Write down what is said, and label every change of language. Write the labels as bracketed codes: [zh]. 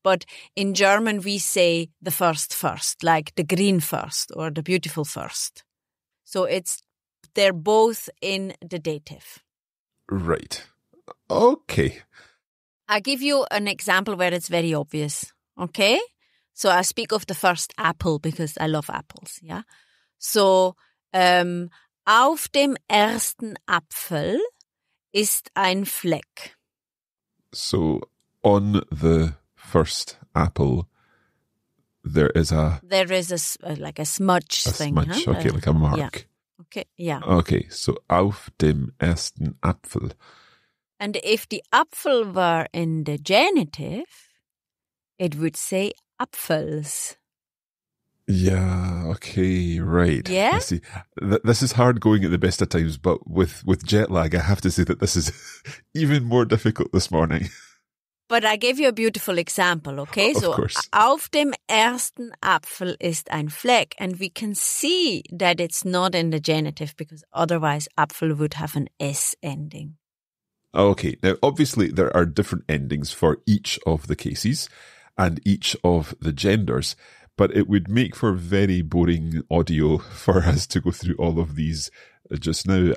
[en] But in German, we say the first, like the green first or the beautiful first. So it's, they're both in the dative. Right. Okay. I'll give you an example where it's very obvious. Okay. So I speak of the first apple because I love apples. Yeah. [de] So auf dem ersten Apfel ist ein Fleck. [en] So on the first apple, There is a smudge thing. Smudge, huh? Okay, like a mark. Yeah. Okay, yeah. [de] Okay, so auf dem ersten Apfel. [en] And if the apfel were in the genitive, it would say apfels. Yeah, okay, right. Yeah? I see. This is hard going at the best of times, but with jet lag, I have to say that this is even more difficult this morning. But I gave you a beautiful example, okay? Of course. [de] So, auf dem ersten Apfel ist ein Fleck. [en] And we can see that it's not in the genitive because otherwise Apfel would have an S ending. Okay. Now, obviously, there are different endings for each of the cases and each of the genders, but it would make for very boring audio for us to go through all of these just now.